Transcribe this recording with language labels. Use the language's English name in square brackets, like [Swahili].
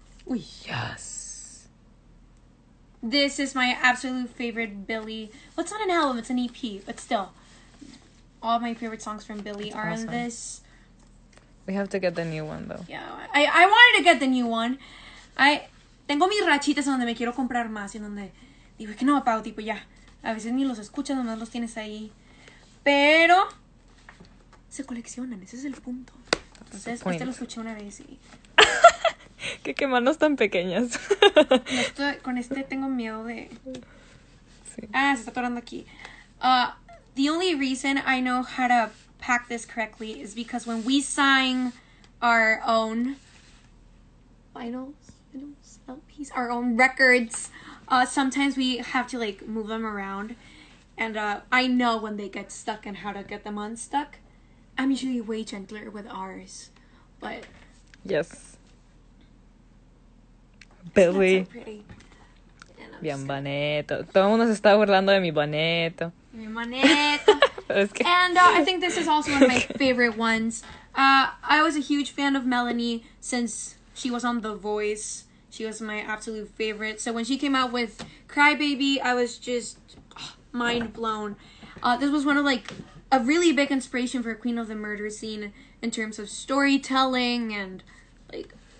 [English] Ooh, yes. This is my absolute favorite Billy. Well, it's not an album, it's an EP, but still. All my favorite songs from Billy are awesome. In this. We have to get the new one, though. Yeah, I wanted to get the new one. [Spanish] I tengo mis rachitas donde me quiero comprar más, y donde digo, que no, Pau, tipo, ya. A veces ni los escuchas, nomás los tienes ahí. Pero se coleccionan, ese es el punto. Entonces, este lo escuché una vez y... Qué manos tan pequeñas. Con este tengo miedo de... Sí. Ah, se está atorando aquí. [English] The only reason I know how to pack this correctly is because when we sign our own vinyls, LPs, our own records, sometimes we have to, like, move them around. And I know when they get stuck and how to get them unstuck. I'm usually way gentler with ours, but... Yes. Billy. So [Spanish] bien bonito. Todo el mundo se está burlando de mi bonito. Mi bonito. Es que... [English] And I think this is also one of my favorite ones. I was a huge fan of Melanie since she was on The Voice. She was my absolute favorite. So when she came out with Crybaby, I was just mind blown. This was one of like a really big inspiration for Queen of the Murder Scene in terms of storytelling and like.